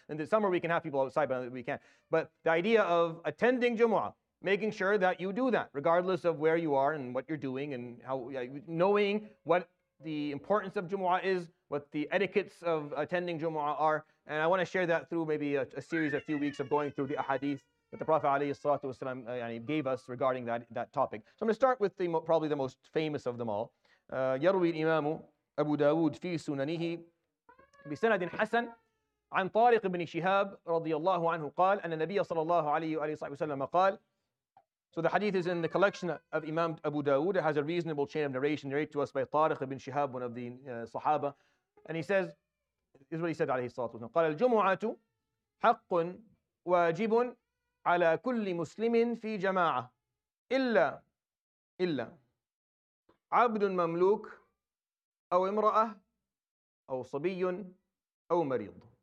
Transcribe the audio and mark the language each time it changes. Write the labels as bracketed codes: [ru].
[en] In the summer, we can have people outside, but we can't. But the idea of attending Jumu'ah, making sure that you do that, regardless of where you are and what you're doing, and how, yeah, knowing what the importance of Jumu'ah is, what the etiquettes of attending Jumu'ah are. And I want to share that through maybe a series, a few weeks of going through the ahadith that the Prophet alayhi salatu wasalam gave us regarding that topic. So I'm going to start with probably the most famous of them all. [ar] يروي الإمام أبو داود في سننه بسند حسن عن طارق بن شهاب رضي الله عنه قال أن النبي صلى الله عليه وسلم قال. [en] So the hadith is in the collection of Imam Abu Dawood. It has a reasonable chain of narration, narrated to us by Tariq ibn Shihab, one of the Sahaba. And he says, this is what he said, alayhi salatu wasalam. [ar] قَالَ الْجُمُعَةُ حَقٌّ وَاجِبٌ عَلَىٰ كُلِّ مُسْلِمٍ فِي جَمَاعَةٍ إِلَّا عَبْدٌ مَمْلُوكٌ أَوْ إِمْرَأَةٌ أَوْ صَبِيٌّ أَوْ مَرِيضٌ.